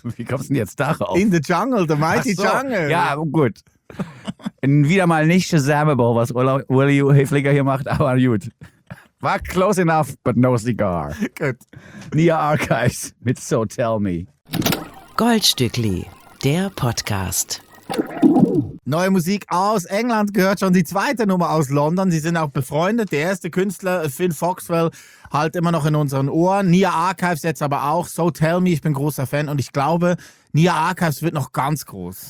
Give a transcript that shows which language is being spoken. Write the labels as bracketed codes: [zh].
[de] Wie kommst du denn jetzt darauf? [en] In the Jungle, the mighty Jungle. [de] Ja, gut. Wieder mal nicht Shazamable, was Willy Hilfiger hier macht, aber gut. [en] War close enough, but no cigar. [de] Gut. Nia Archives mit So Tell Me. Goldstückli, der Podcast. Neue Musik aus England gehört schon, die zweite Nummer aus London. Sie sind auch befreundet. Der erste Künstler, Finn Foxwell, halt immer noch in unseren Ohren. Nia Archives jetzt aber auch. So Tell Me, ich bin großer Fan. Und ich glaube, Nia Archives wird noch ganz groß.